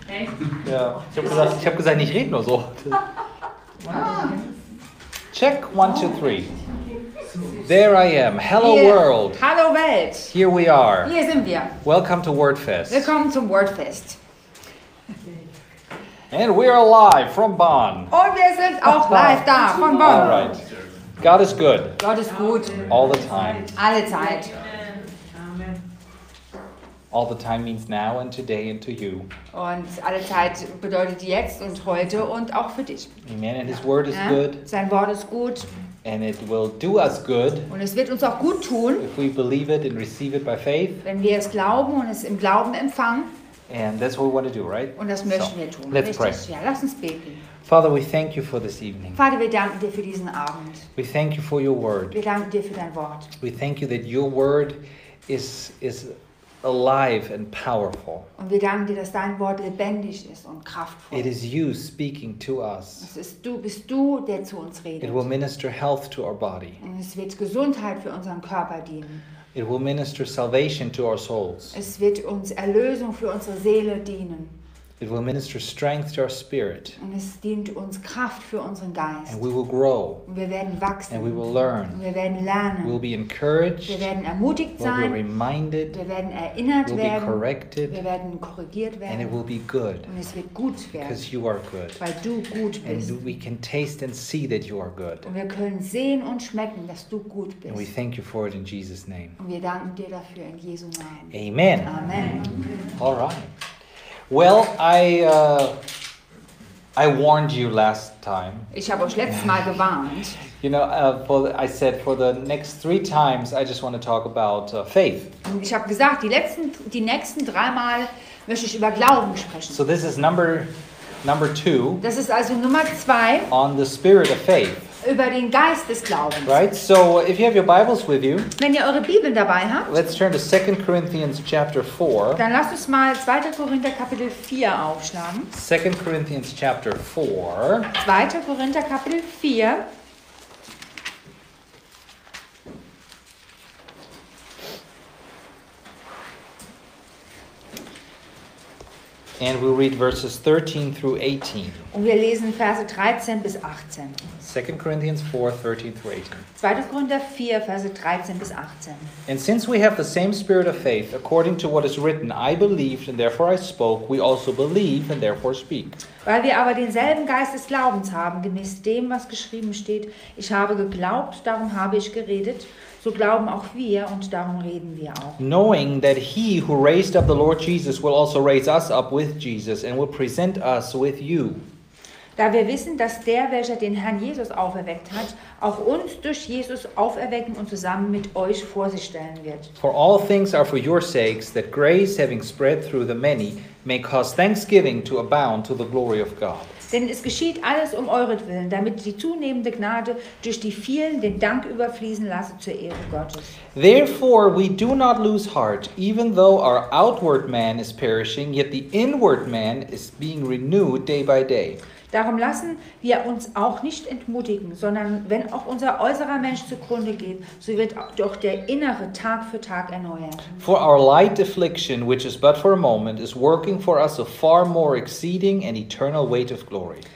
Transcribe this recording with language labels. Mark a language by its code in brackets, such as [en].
[de] Echt? Ja. Ich habe gesagt, ich rede nur so. [en] Check 1, 2, 3. There I am. Hello hier. World. [de] Hallo Welt. [en] Here we are. [de] Hier sind wir. [en] Welcome to WordFest. [de] Willkommen zum WordFest. [en] And we are live from Bonn. [de] Und wir sind auch live da von Bonn. [en] All right. God is good. [de] Gott ist gut. [en] All the time. [de] Alle Zeit. [en] All the time means now and today and to you. [de] Und alle Zeit bedeutet jetzt und heute und auch für dich. [en] Amen. And his word is good. [de] Sein Wort ist gut. [en] And it will do us good. [de] Und es wird uns auch gut tun. [en] If we believe it and receive it by faith. [de] Wenn wir es glauben und es im Glauben empfangen. [en] And that's what we want to do, right? [de] Und das möchten wir tun. [en] Let's [de] richtig. [en] Pray. [de] Ja, lass uns beten. [en] Father, we thank you for this evening. [de] Vater, wir danken dir für diesen Abend. [en] We thank you for your word. [de] Wir danken dir für dein Wort. [en] We thank you that your word is alive and powerful. [de] Und wir danken dir, dass dein Wort lebendig ist und kraftvoll. [en] It is you speaking to us. [de] Es ist du, bist du, der zu uns redet. [en] It will minister health to our body. [de] Und es wird Gesundheit für unseren Körper dienen. [en] It will minister salvation to our souls. [de] Es wird uns Erlösung für unsere Seele dienen. [en] It will minister strength to our spirit. [de] Und es dient uns Kraft für unseren Geist. [en] And we will grow. [de] Und wir werden wachsen. [en] And we will learn. [de] Und wir werden lernen. [en] We'll be encouraged. [de] Wir werden ermutigt sein. [en] We'll be reminded. [de] Wir werden erinnert werden. [en] We'll be corrected. [de] Wir werden korrigiert werden. [en] And it will be good. [de] Und es wird gut werden. [en] Because you are good. [de] Weil du gut bist. [en] And we can taste and see that you are good. [de] Und wir können sehen und schmecken, dass du gut bist. [en] And we thank you for it in Jesus' name. [de] Und wir danken dir dafür in Jesu Namen. [en] Amen. [de] Amen. [en] All right. Well, I warned you last time. [de] Ich habe euch letztes Mal gewarnt. [en] You know, I said for the next three times, I just want to talk about faith. [de] Ich habe gesagt, die nächsten drei Mal möchte ich über Glauben sprechen. [en] So this is number two. [de] Das ist also Nummer zwei. [en] On the spirit of faith. [de] Über den Geist des Glaubens. [en] Right. So if you have your Bibles with you. [de] Wenn ihr eure Bibeln dabei habt. [en] Let's turn to 2 Corinthians chapter 4. [de] Dann lasst uns mal 2. Korinther Kapitel 4 aufschlagen. [en] 2 Corinthians chapter 4. [de] 2. Korinther Kapitel 4. [en] And we'll read verses 13 through 18. [de] Und wir lesen Verse 13 bis 18. [en] 2 Corinthians 4, 13 through 18. [de] 2. Korinther 4, Verse 13 bis 18. [en] And since we have the same spirit of faith, according to what is written, I believed and therefore I spoke, we also believe and therefore speak. [de] Weil wir aber denselben Geist des Glaubens haben, gemäß dem, was geschrieben steht, ich habe geglaubt, darum habe ich geredet. So glauben auch wir und darum reden wir auch. [en] Knowing that he who raised up the Lord Jesus will also raise us up with Jesus and will present us with you. [de] Da wir wissen, dass der, welcher den Herrn Jesus auferweckt hat, auch uns durch Jesus auferwecken und zusammen mit euch vor sich stellen wird. [en] For all things are for your sakes, that grace having spread through the many may cause thanksgiving to abound to the glory of God. [de] Denn es geschieht alles um euretwillen, damit die zunehmende Gnade durch die vielen den Dank überfließen lasse zur Ehre Gottes. [en] Therefore we do not lose heart, even though our outward man is perishing, yet the inward man is being renewed day by day. [de] Darum lassen wir uns auch nicht entmutigen, sondern wenn auch unser äußerer Mensch zugrunde geht, so wird doch der innere Tag für Tag erneuert. [en] For our light affliction, which is but for a moment, is working for us a far more exceeding and eternal weight of glory.